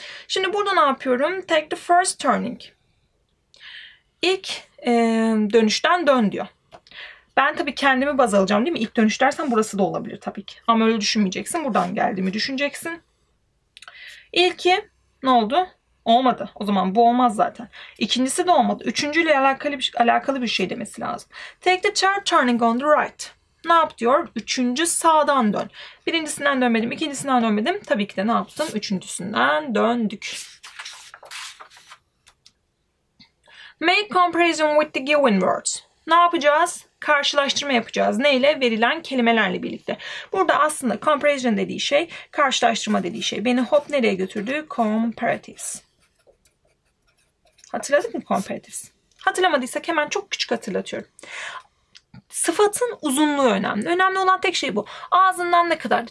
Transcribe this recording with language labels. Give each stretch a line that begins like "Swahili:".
Turkish: Şimdi burada ne yapıyorum?
English: Take the first turning.
Turkish: İlk dönüşten dön diyor. Ben tabii kendimi baz alacağım, değil mi? İlk dönüş dersen burası da olabilir tabii ki. Ama öyle düşünmeyeceksin. Buradan geldiğimi düşüneceksin. İlki ne oldu? Olmadı. O zaman bu olmaz zaten. İkincisi de olmadı. Üçüncüyle alakalı bir şey demesi lazım.
English: Take the third turning on the right.
Turkish: Ne yap diyor? Üçüncü sağdan dön. Birincisinden dönmedim, ikincisinden dönmedim. Tabii ki de ne yaptım? Üçüncüsünden döndük.
English: Make comparison with the given words.
Turkish: Ne yapacağız? Karşılaştırma yapacağız. Neyle? Verilen kelimelerle birlikte. Burada aslında comparison dediği şey, karşılaştırma dediği şey. Beni hop nereye götürdü? Comparatives. Hatırladın mı comparatives? Hatırlamadıysak hemen çok küçük hatırlatıyorum. Sıfatın uzunluğu önemli. Önemli olan tek şey bu. Ağzından ne kadar?